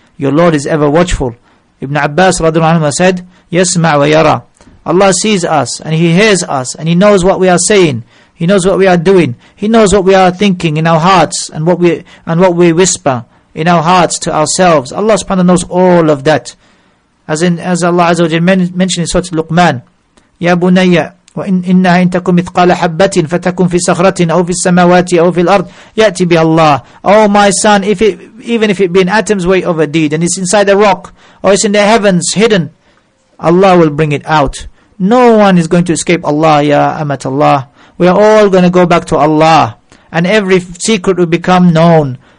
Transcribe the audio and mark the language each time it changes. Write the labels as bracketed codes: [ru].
[en] Your Lord is ever watchful. Ibn Abbas radhiyallahu anhu said, [ar] yasma' wa yara. [en] Allah sees us and He hears us and He knows what we are saying. He knows what we are doing. He knows what we are thinking in our hearts and what we whisper in our hearts to ourselves. Allah subhanahu wa ta'ala knows all of that. As Allah Azza wa Jal mentioned in Surah Luqman, [ar] يَا بُنَيَّ وَإِنَّهَا إِنْ تَكُمْ إِثْقَالَ حَبَّةٍ فَتَكُمْ فِي صَخْرَةٍ أَوْ فِي السَّمَوَاتِ أَوْ فِي الْأَرْضِ يَأْتِ بِهَا اللَّهِ. [en] Oh my son, even if it be an atom's weight of a deed, and it's inside a rock, or it's in the heavens, hidden, Allah will bring it out. No one is going to escape Allah, ya Amat Allah. We are all going to go back to Allah, and every secret will become known.